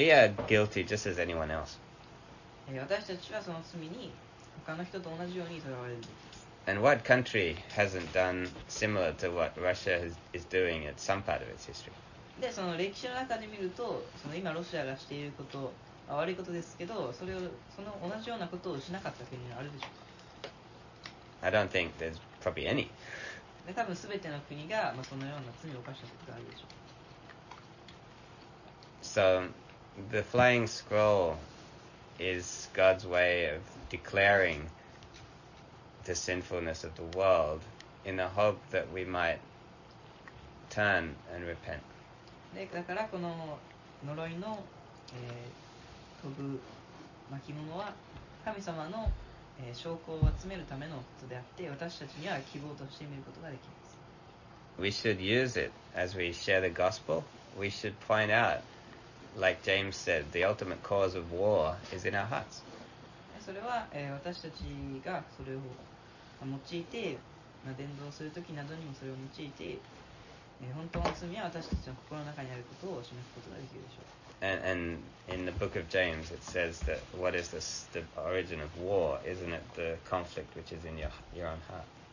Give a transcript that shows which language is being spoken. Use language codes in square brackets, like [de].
[en] We are guilty just as anyone else. [ja] 私たちはその罪に他の人と同じように囚われるんです。 [en] And what country hasn't done similar to what Russia is doing at some part of its history? [ja] で、その歴史の中で見ると、その今ロシアがしていること、悪いことですけど、それをその同じようなことをしなかった国はあるでしょうか。 [en] I don't think there's probably any. [ja] で、多分すべての国が、まあ、そのような罪を犯したことがあるでしょう。 [en] So the flying scroll is God's way of declaring the sinfulness of the world in the hope that we might turn and repent. [ja] だからこの呪いの飛ぶ巻物は神様の、証拠を集めるためのことであって、私たちには希望として見ることができます。 [en] We should use it as we share the gospel. We should point out, like James said, the ultimate cause of war is in our hearts. [ja] それは、私たちがそれを用いて、まあ、伝道するときなどにもそれを用いて、本当の罪は私たちの心の中にあることを示すことができるでしょう。 [en] And in the book of James, it says that what is the origin of war? Isn't it the conflict which is in your own heart?